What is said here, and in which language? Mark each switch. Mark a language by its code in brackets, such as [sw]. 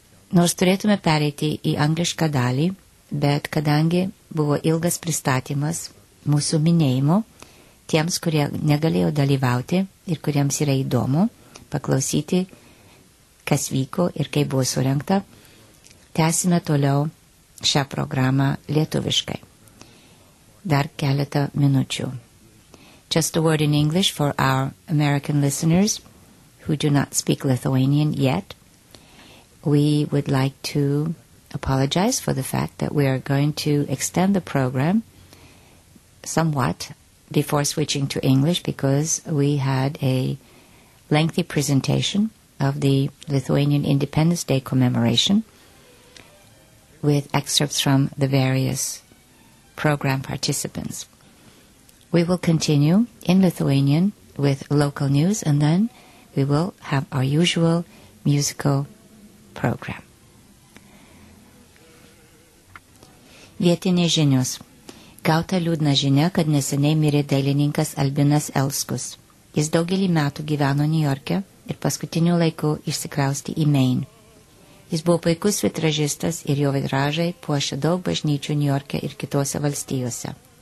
[lt] Nors turėtume pereiti į anglišką dalį, bet kadangi buvo ilgas pristatymas mūsų minėjimo, tiems, kurie negalėjo dalyvauti ir kuriems yra įdomu paklausyti, kas vyko ir kaip buvo surengta, tęsime toliau šią programą lietuviškai. Dar keletą minučių. [en] Just a word in English for our American listeners who do not speak Lithuanian yet. We would like to apologize for the fact that we are going to extend the program somewhat before switching to English because we had a lengthy presentation of the Lithuanian Independence Day commemoration with excerpts from the various program participants. We will continue in Lithuanian with local news and then we will have our usual musical program. [lt] Vietinės žinios. Gauta liūdna žinia, kad neseniai mirė dailininkas Albinas Elskus. Jis daugelį metų gyveno Niujorke ir paskutiniu laiku išsikrausti į Maine. Jis buvo puikus vitražistas ir jo vitražai puošė daug bažnyčių Niujorke ir kitose valstijose.